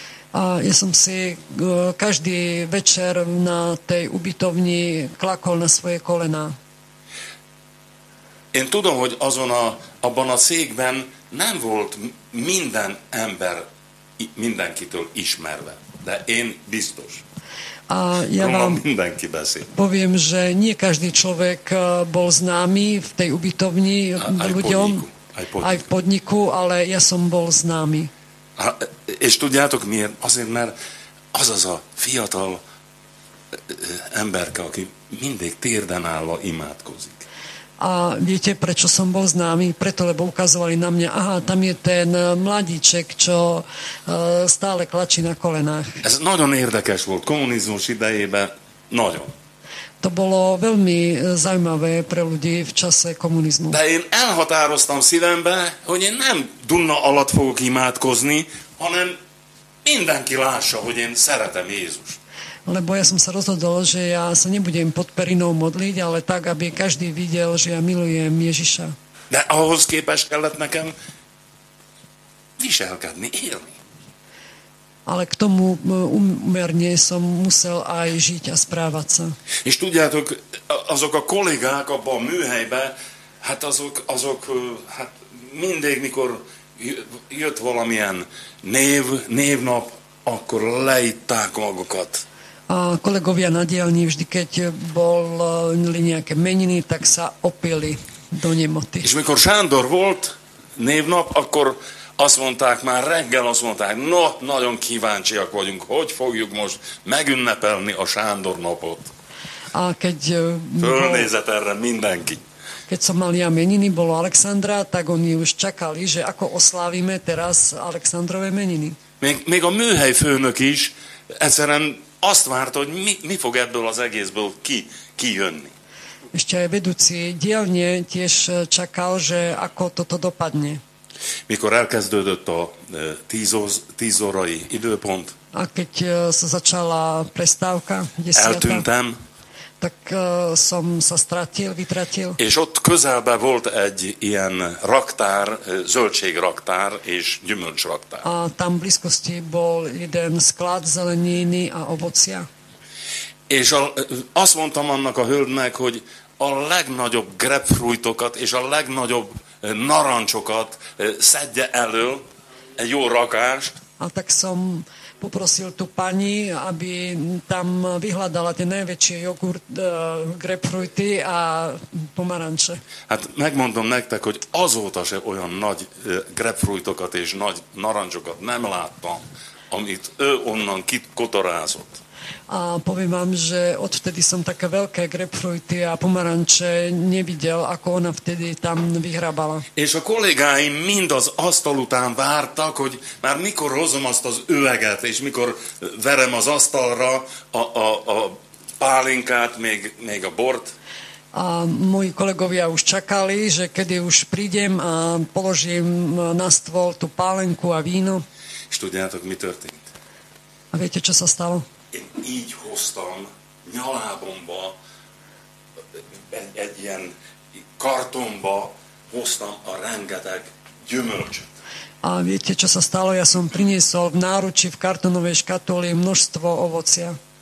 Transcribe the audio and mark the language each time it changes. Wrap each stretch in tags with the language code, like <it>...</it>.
<sk>A ja som si každý večer na tej ubytovni klakol na svoje kolená.</sk> <hu>Én tudom, hogy abban a székben nem volt minden ember mindenkitől ismerve, de én biztos.</hu> <sk>A ja vám poviem, že nie každý človek bol známy v tej ubytovni ľuďom, aj v podniku, ale ja som bol známy.</sk> <hu>A és tudjátok miért? Azért, mert az a fiatal emberke, aki mindig térden állva imádkozik.</hu> <sk>A viete, prečo som bol známy? Preto, lebo ukazovali na mňa, aha, tam je ten mladíček, čo stále klačí na kolenách.</sk> <hu>Ez nagyon érdekes volt komunizmus idejében, nagyon.</hu> <sk>To bolo veľmi zaujímavé pre ľudí v čase komunizmu.</sk> <hu>De én elhatároztam szívembe, hogy én nem dunna alatt fogok imádkozni, hanem mindenki lássa, hogy én szeretem Jézust.</hu> <sk>Lebo ja som sa rozhodol, že ja sa nebudem pod perinou modliť, ale tak, aby každý videl, že ja milujem Ježiša.</sk> <hu>De ahhoz képest kellett nekem viselkedni, élni.</hu> <sk>Ale k tomu umerne som musel aj žiť a správať sa.</sk> <hu>És tudjátok, azok a kollégák abban a műhelybe, hát azok hát mindig, mikor jött valamilyen névnap, akkor leitták magukat.</hu> <sk>A kolegovia na dielni, vždy keď boli nejaké meniny, tak sa opili do nemoty.</sk> <hu>És mikor Sándor volt névnap, akkor azt mondták, már reggel azt mondták, no, nagyon kíváncsiak vagyunk, hogy fogjuk most megünnepelni a Sándor napot.</hu> <sk>A keď</sk> <hu>fölnézett erre mindenki.</hu> <sk>Keď som mal ja meniny, bolo Alexandra, tak oni už čakali, že ako oslávime teraz Alexandrove meniny.</sk> <hu>Még a műhely főnök is egyszerűen azt várta, hogy mi fog ebből az egészből kijönni.</hu> <sk>Ešte aj vedúci dielne tiež čakal, že ako toto dopadne.</sk> <hu>Mikor elkezdődött a 10 órai időpont,</hu> <sk>a keď sa začala prestávka,</sk> <hu>eltűntem,</hu> <sk>tak som sa vytratil.</sk> <hu>És ott közelben volt egy ilyen raktár, zöldségraktár és gyümölcsraktár.</hu> <sk>A tam blízkosti bol jeden sklad zeleniny a ovocia.</sk> <hu>És azt mondtam annak a hölgynek, hogy a legnagyobb grapefruitokat és a legnagyobb narancsokat szedje elő egy jó rakást.</hu> <sk>A tak som poprosil tú pani, aby tam vyhľadala tie najväčšie jogurt, grapefruity a pomaranče.</sk> <hu>Hát megmondom nektek, hogy azóta se olyan nagy grapefruitokat és nagy narancsokat nem láttam, amit ő onnan kotorázott.</hu> <sk>A poviem vám, že odvtedy som také veľké grapefruity a pomaranče nevidel, ako ona vtedy tam vyhrabala.</sk> <hu>És a kollégáim mind az asztal után vártak, hogy már mikor hozom azt az üveget, és mikor verem az asztalra a pálinkát, még a bort.</hu> <sk>A moji kolegovia už čakali, že kedy už prídem a položím na stôl tú pálenku a víno.</sk> <hu>És tudjátok, mi történt?</hu> <sk>A viete, čo sa stalo?</sk> <hu>Én így hoztam nyalábomba, egy ilyen kartonba hoztam a rengeteg gyümölcsöt.</hu> <sk>A viete, čo sa stalo? Ja som priniesol v náruči, v kartonovej škatuli množstvo ovocia.</sk>